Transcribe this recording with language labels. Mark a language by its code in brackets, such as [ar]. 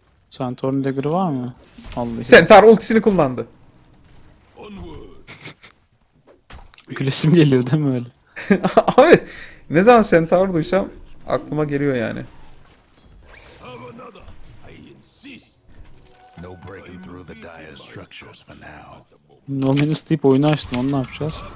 [tr] Centaur'un dagger'ı var mı? Vallahi. Centaur ultisini kullandı. Gülesim geliyor değil mi öyle? Abi ne zaman Centaur duysam aklıma geliyor yani. [en] No breaking through the dire structures for now. [tr] No Man's Deep oyunu açtın, onu ne yapacağız?